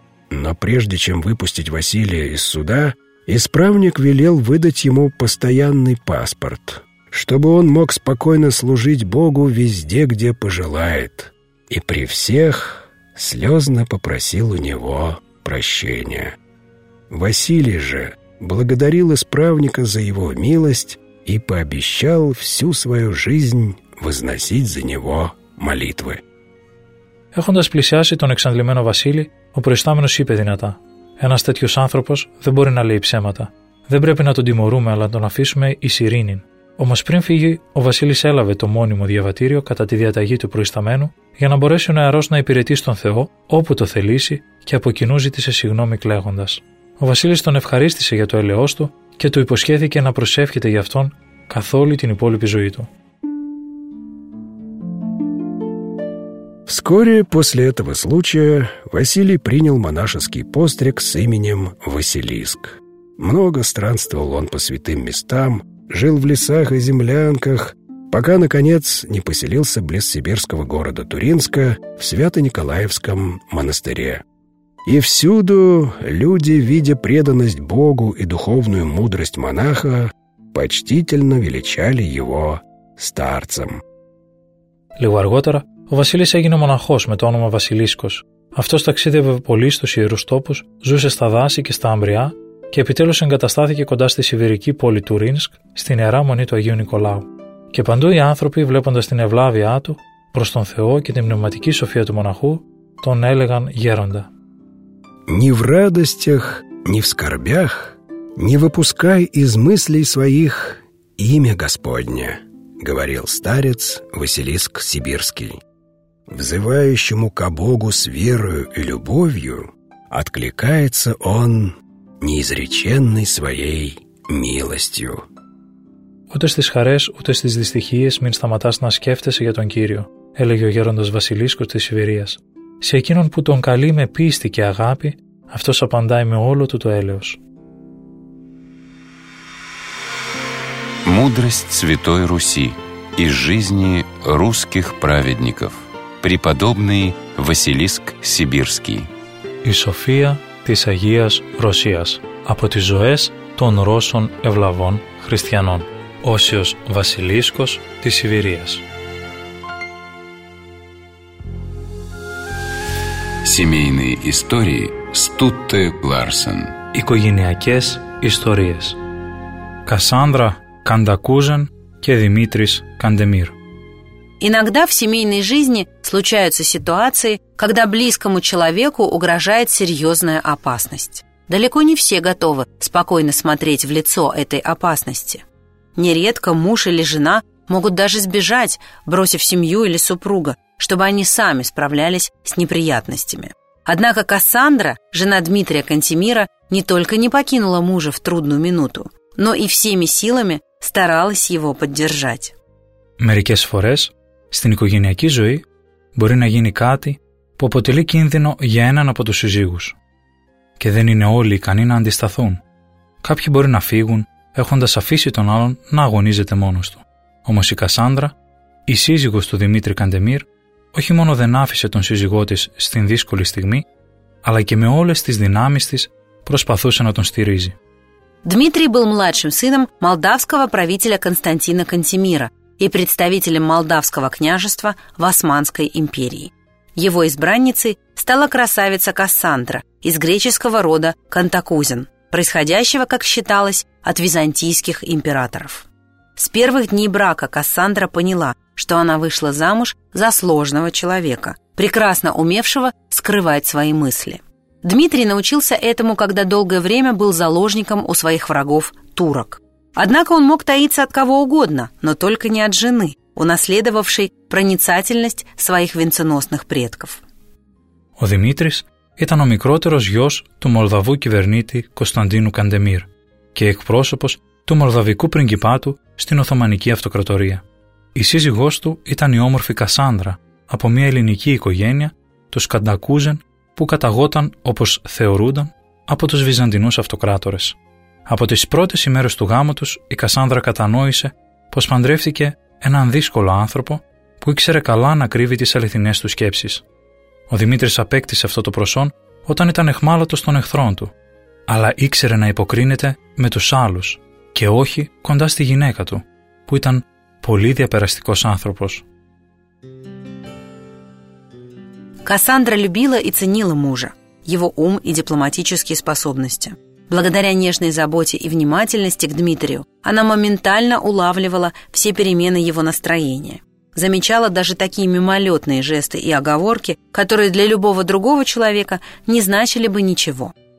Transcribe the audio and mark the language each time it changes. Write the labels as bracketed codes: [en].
[ru] Но прежде чем выпустить Василия из суда, исправник велел выдать ему постоянный паспорт, чтобы он мог спокойно служить Богу везде, где пожелает, и при всех слезно попросил у него прощения. Василий же благодарил исправника за его милость и пообещал всю свою жизнь возносить за него молитвы. [el] Έχοντας πλησιάσει τον εξαντλημένο Βασίλη, ο προϊστάμενος είπε δυνατά: «Ένας τέτοιος άνθρωπος δεν μπορεί να λέει ψέματα. Δεν πρέπει να τον τιμωρούμε, αλλά να τον αφήσουμε εις ειρήνην». Όμως πριν φύγει, ο Βασίλης έλαβε το μόνιμο διαβατήριο κατά τη διαταγή του προϊσταμένου για να μπορέσει ο νεαρός να υπηρετήσει τον Θεό όπου το θελήσει και από κοινού ζήτησε συγγνώμη κλαίγοντας. Ο Βασίλης τον ευχαρίστησε για το έλεος του και του υποσχέθηκε να προσεύχεται για αυτόν καθ' όλη την υπόλοιπη ζωή του. [ru] Вскоре после этого случая Василий принял монашеский постриг с именем Василиск. Много странствовал он по святым местам, жил в лесах и землянках, пока, наконец, не поселился близ сибирского города Туринска в Свято-Николаевском монастыре. И всюду люди, видя преданность Богу и духовную мудрость монаха, почтительно величали его старцем. [el] Λίγο αργότερα, ο Βασίλης έγινε μοναχός με το όνομα Βασιλίσκος. Αυτός ταξίδευε πολύ στους ιερούς τόπους, ζούσε στα δάση και στα άμπρια και επιτέλους εγκαταστάθηκε κοντά στη σιβηρική πόλη Τουρίνσκ, στην Ιερά Μονή του Αγίου Νικολάου. Και παντού οι άνθρωποι, βλέποντας την ευλάβειά του προς τον Θεό και την πνευματική σοφία του μοναχού, τον έλεγαν γέροντα. [ru] «Ни в радостях, ни в скорбях, не выпускай из мыслей своих имя Господне», говорил старец Василиск Сибирский. «Взывающему ко Богу с верою и любовью откликается он неизреченной своей милостью». [el] «Ούτε στις χαρές, ούτε στις δυστυχίες μην σταματάς να σκέφτεσαι για τον Κύριο», έλεγε ο γέροντας Βασιλίσκος της Σιβηρίας. «Σε εκείνον που τον καλεί με πίστη και αγάπη, αυτός απαντάει με όλο του το έλεος». [ru] Мудрость Святой Руси из жизни русских праведников. Преподобный Василиск Сибирский. [el] Η Σοφία της Αγίας Ρωσίας. Από τις ζωές των Ρώσων ευλαβών χριστιανών. Όσιος Βασιλίσκος της Σιβηρίας. [ru] Семейные истории Стутте Ларсен. [el] Οικογενειακές ιστορίες. Кассандра Кандакужен και Δημήτρης Καντεμίρ. [ru] Иногда в семейной жизни случаются ситуации, когда близкому человеку угрожает серьезная опасность. Далеко не все готовы спокойно смотреть в лицо этой опасности. Нередко муж или жена могут даже сбежать, бросив семью или супруга, чтобы они сами справлялись с неприятностями. Однако Кассандра, жена Дмитрия Кантемира, не только не покинула мужа в трудную минуту, но и всеми силами старалась его поддержать. [el] Мерикес форес στην οικογενειακή ζωή μπορεί να γίνει κάτι που αποτελεί κίνδυνο για έναν από τους συζύγους. Και δεν είναι όλοι ικανοί να αντισταθούν. Κάποιοι μπορεί να φύγουν έχοντας αφήσει τον άλλον να αγωνίζεται μόνος του. Όμως η Κασάνδρα, η σύζυγος του Δημήτρη Καντεμίρ, όχι μόνο δεν άφησε τον σύζυγό της στην δύσκολη στιγμή, αλλά και με όλες τις δυνάμεις της προσπαθούσε να τον στηρίζει. [ru] Дмитрий был младшим сыном молдавского правителя Константина Кантемира и представителем молдавского княжества в Османской империи. Его избранницей стала красавица Кассандра из греческого рода Кантакузен, происходящего, как считалось, от византийских императоров. С первых дней брака Кассандра поняла, что она вышла замуж за сложного человека, прекрасно умевшего скрывать свои мысли. Дмитрий научился этому, когда долгое время был заложником у своих врагов турок. Однако он мог таиться от кого угодно, но только не от жены, унаследовавшей проницательность своих венценосных предков. [el] Ο Δημήτρης ήταν ο μικρότερος γιος του Μολδαβού κυβερνήτη Κωνσταντίνου Καντεμίρ και εκπρόσωπος του Μολδαβικού πριγκιπάτου στην Οθωμανική Αυτοκρατορία. Η σύζυγός του ήταν η όμορφη Κασάνδρα από μια ελληνική οικογένεια, τους Καντακούζεν, που καταγόταν, όπως θεωρούνταν, από τους Βυζαντινούς αυτοκράτορες. Από τις πρώτες ημέρες του γάμου τους, η Κασάνδρα κατανόησε πως παντρεύτηκε έναν δύσκολο άνθρωπο που ήξερε καλά να κρύβει τις αληθινές του σκέψεις. Ο Δημήτρης απέκτησε αυτό το προσόν όταν ήταν εχμάλωτος των εχθρών του, αλλά ήξερε να υποκρίνεται με τους άλλους και όχι κοντά στη γυναίκα του, που ήταν πολύ διαπεραστικός άνθρωπος. [ru] Кассандра любила и ценила мужа, его ум и дипломатические способности. Благодаря нежной заботе и внимательности к Дмитрию, она моментально улавливала все перемены его настроения. Замечала даже такие мимолетные жесты и оговорки, которые для любого другого человека не значили бы ничего.